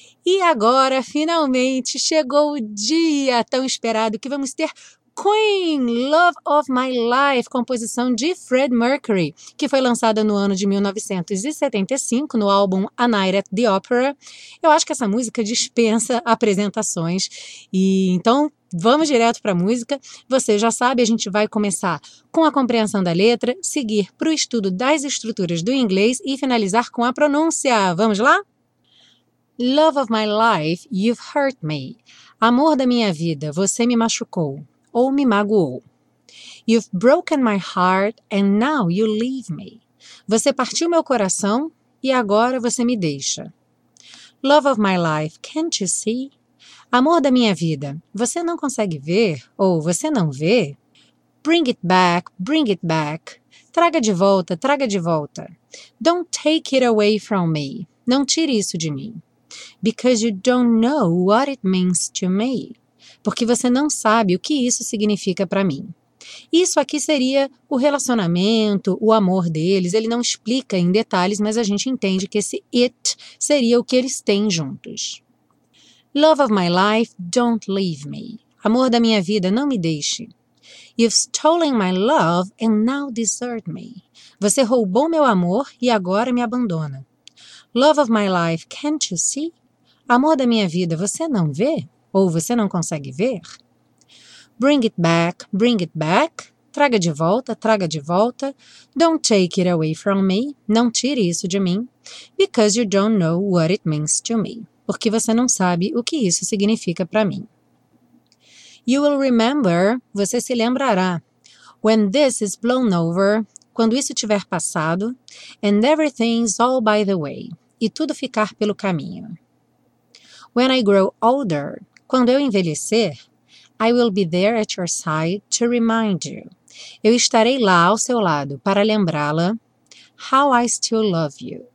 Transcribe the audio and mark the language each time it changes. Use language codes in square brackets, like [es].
[pt] E agora, finalmente, chegou o dia tão esperado que vamos ter Queen, Love of My Life, composição de Fred Mercury, que foi lançada no ano de 1975, no álbum A Night at the Opera. Eu acho que essa música dispensa apresentações. E então, vamos direto para a música. Você já sabe, a gente vai começar com a compreensão da letra, seguir para o estudo das estruturas do inglês e finalizar com a pronúncia. Vamos lá? [en] Love of my life, you've hurt me. [pt] Amor da minha vida, você me machucou ou me magoou. [en] You've broken my heart and now you leave me. [pt] Você partiu meu coração e agora você me deixa. [en] Love of my life, can't you see? [pt] Amor da minha vida, você não consegue ver ou você não vê? [en] Bring it back, bring it back. [pt] Traga de volta, traga de volta. [en] Don't take it away from me. [pt] Não tire isso de mim. [en] Because you don't know what it means to me. [pt] Porque você não sabe o que isso significa para mim. Isso aqui seria o relacionamento, o amor deles. Ele não explica em detalhes, mas a gente entende que esse it seria o que eles têm juntos. [en] Love of my life, don't leave me. [pt] Amor da minha vida, não me deixe. [en] You've stolen my love and now desert me. [pt] Você roubou meu amor e agora me abandona. [en] Love of my life, can't you see? [pt] Amor da minha vida, você não vê? Ou você não consegue ver? [en] Bring it back, [pt] traga de volta, traga de volta. [en] Don't take it away from me, [pt] não tire isso de mim. [en] Because you don't know what it means to me. [pt] Porque você não sabe o que isso significa para mim. [en] You will remember, [pt] você se lembrará. [en] When this is blown over, [pt] quando isso tiver passado, [en] and everything's all by the way, [pt] e tudo ficar pelo caminho. [en] When I grow older, [pt] quando eu envelhecer, [en] I will be there at your side to remind you. [pt] Eu estarei lá ao seu lado para lembrá-la [en] how I still love you.